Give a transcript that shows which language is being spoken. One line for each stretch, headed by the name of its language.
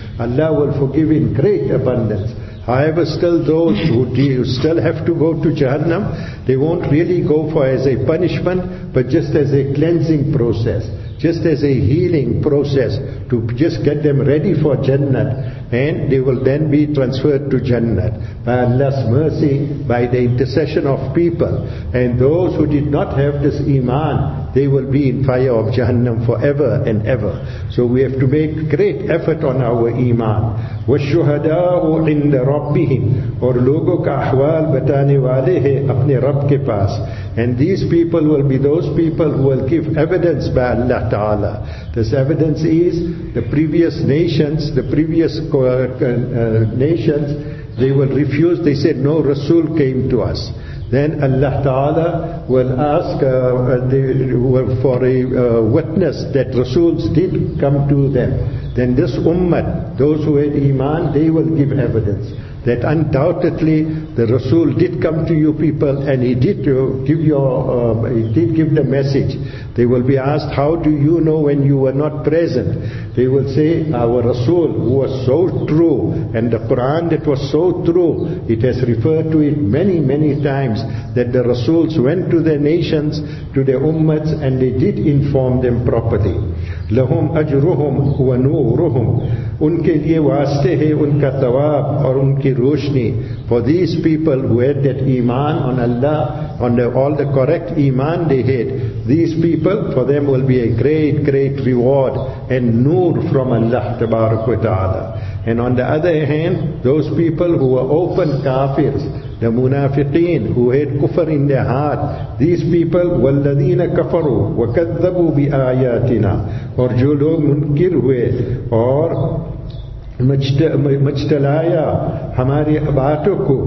English: Allah will forgive in great abundance. However, still those who still have to go to Jahannam, they won't really go for as a punishment, but just as a cleansing process, just as a healing process, to just get them ready for Jannah, and they will then be transferred to Jannah by Allah's mercy, by the intercession of people. And those who did not have this iman, they will be in fire of Jahannam forever and ever. So we have to make great effort on our iman.
Arabic: وَالشُّهَدَاءُ عِنْدَ رَبِّهِمْ
Urdu: اور لوگوں کا احوال بتانے والے ہیں اپنے رب کے پاس.
English: And these people will be those people who will give evidence by Allah Ta'ala. This evidence is the previous nations, they will refuse. They said, no Rasul came to us. Then Allah Ta'ala will ask for a witness that Rasuls did come to them. Then this ummah, those who had iman, they will give evidence that undoubtedly the Rasul did come to you people, and he did give the message. They will be asked, how do you know when you were not present? They will say, our Rasul, who was so true, and the Quran that was so true, it has referred to it many, many times, that the Rasuls went to their nations, to their ummats, and they did inform them properly.
Arabic: لَهُمْ أَجْرُهُمْ وَنُورُهُمْ
Urdu: ان کے لئے واسطے ہیں ان کا ثواب اور ان کی روشنی.
English: For these people who had that iman on Allah, on all the correct iman they had, these people, for them will be a great, great reward and noor from Allah tabarak wa ta'ala. And on the other hand, those people who were open kafirs, the munafiqeen, who had kufr in their heart, these people,
Arabic: وَالَّذِينَ كَفَرُوا وَكَذَّبُوا بِآيَاتِنَا
Urdu: اور جو لوگ منکر ہوئے اور مجتلایا ہماری باتوں کو.